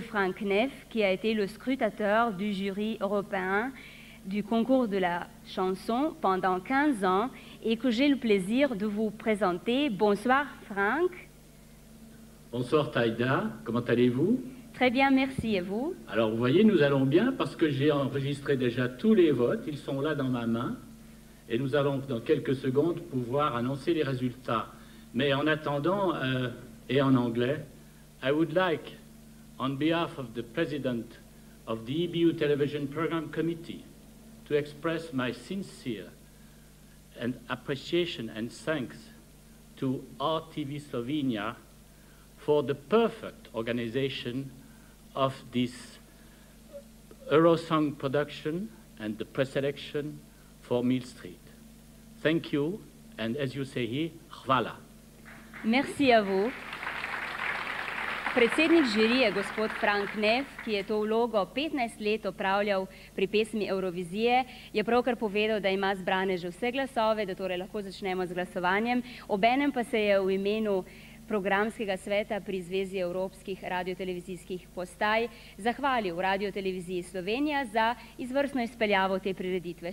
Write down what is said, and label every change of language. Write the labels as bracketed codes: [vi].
[fr] Frank Neff, qui a été le scrutateur du jury européen du concours de la chanson pendant 15 ans et que j'ai le plaisir de vous présenter. Bonsoir, Frank. Bonsoir, Tajda. Comment allez-vous? Très bien, merci. Et vous? Alors, vous voyez, nous allons bien parce que j'ai enregistré déjà tous les votes. Ils sont là dans ma main. Et nous allons, dans quelques secondes, pouvoir annoncer les résultats. Mais en attendant, et en anglais, [en] I would like, on behalf of the president of the EBU Television Program Committee, to express my sincere and appreciation and thanks to RTV Slovenia for the perfect organization of this Eurosong production and the pre-selection for Millstreet. Thank you, and as you say here, hvala. [fr] Merci à vous. [sl] Predsednik žirije, gospod Frank Neff, ki je to vlogo 15 let opravljal pri pesmi Eurovizije, je pravkar povedal, da ima zbrane že vse glasove, da torej lahko začnemo z glasovanjem. Obenem pa se je v imenu programskega sveta pri Zvezi evropskih radiotelevizijskih postaj zahvalil Radioteleviziji Slovenija za izvrstno izpeljavo te prireditve.